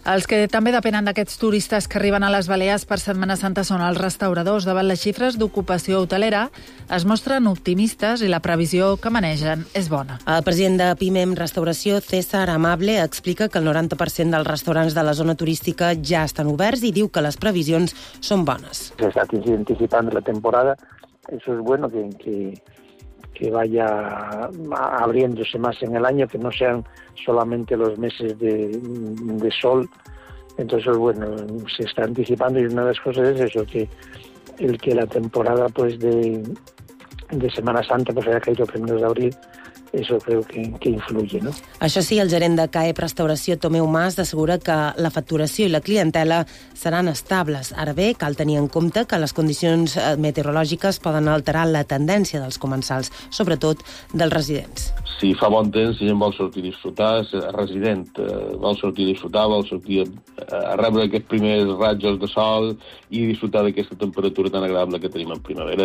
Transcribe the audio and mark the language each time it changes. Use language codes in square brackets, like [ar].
[ca] Els que també depenen d'aquests turistes que arriben a les Balears per Setmana Santa són els restauradors. Davant les xifres d'ocupació hotelera, es mostren optimistes i la previsió que manegen és bona. El president de Pimem Restauració, César Amable, explica que el 90% dels restaurants de la zona turística ja estan oberts i diu que les previsions són bones. [es] La temporada, eso es bueno, que vaya abriéndose más en el año, que no sean solamente los meses de sol. Entonces, bueno, se está anticipando y una de las cosas es eso, que la temporada pues de Semana Santa pues haya caído primero de abril. Això creo que influye, ¿no? [ca] Això sí, el gerent de CAEP Restauració, Tomeu Mas, assegura que la facturació i la clientela seran estables. Ara bé, cal tenir en compte que les condicions meteorològiques poden alterar la tendència dels comensals, sobretot dels residents. Si fa bon temps, si gent vol sortir a disfrutar, el resident vol sortir a disfrutar, vol sortir a rebre aquests primers ratjos de sol i disfrutar d'aquesta temperatura tan agradable que tenim en primavera.